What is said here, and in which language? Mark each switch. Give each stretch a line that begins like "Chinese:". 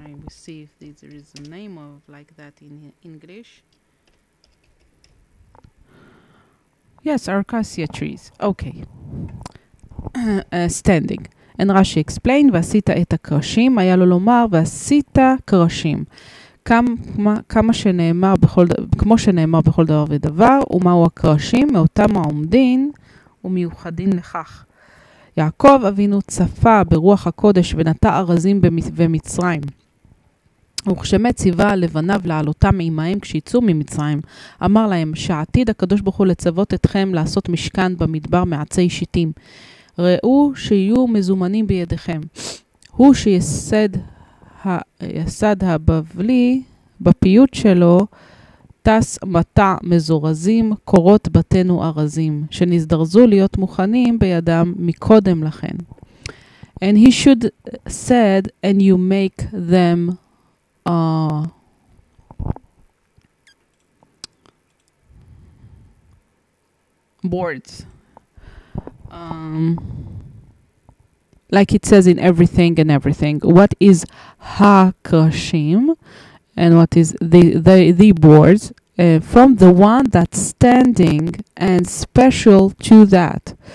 English: See if there is a name of like that in English. Yes, acacia trees. Okay. Standing. And Rashi explained,
Hebrew: Vasita et hakrashim, היה לו לומר, Vasita krashim. כמו שנאמר בכל דבר ודבר, ומהו הקרשים, מאותם העומדים, ומיוחדים לכך. יעקב אבינו צפה ברוח הקודש ונטע ארזים במצרים. וכשמת ציווה לבניו לעלותם עמהם כשיצאו ממצרים, אמר להם שעתיד הקדוש ברוך הוא לצוות אתכם לעשות משכן במדבר מעצי שיטים. ראו שיהיו מזומנים בידיכם. הוא שיסד היסד הבבלי בפיוט שלו טס מטע מזורזים קורות בתנו ארזים, שנזדרזו להיות מוכנים בידם מקודם לכן.
English: And he should said, and you make them boards. Like it says in everything and everything. What is hakashim and what is the boards from the one that's standing and special to that.